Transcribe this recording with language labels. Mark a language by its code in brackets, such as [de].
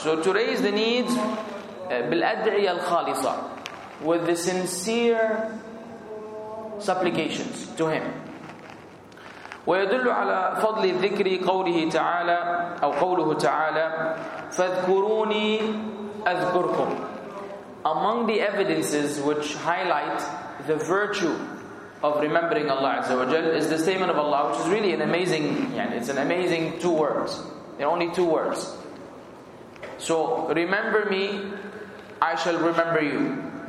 [en] So to raise the needs [ar] بالأدعية الخالصة, [en] with the sincere supplications to Him. [ar] ويدل على فضل الذكر قوله تعالى أو قوله تعالى فاذكروني أذكركم. [en] Among the evidences which highlight the virtue of remembering Allah Azza wa Jal is the statement of Allah, which is really an amazing, يعني, it's an amazing two words. There are only two words. So, remember me, I shall remember you.